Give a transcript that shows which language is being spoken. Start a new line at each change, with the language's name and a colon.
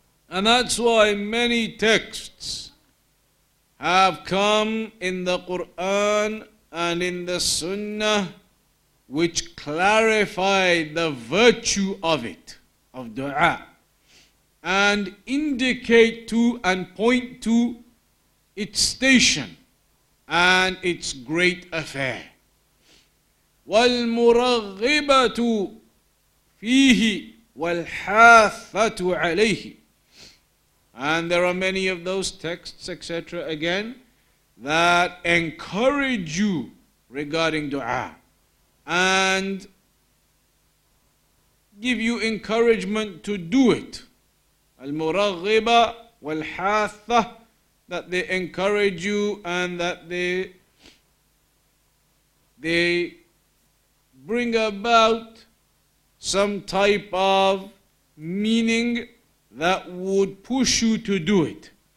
English: And that's why many texts have come in the Quran and in the Sunnah which clarify the virtue of it, of dua, and indicate to and point to its station and its great affair.
Arabic: والمرغبة فيه والحافة عليه.
English: And there are many of those texts, etc., again, that encourage you regarding dua and give you encouragement to do it.
Arabic: المرغبة والحافة,
English: that they encourage you and that they bring about some type of meaning that would push you to do it.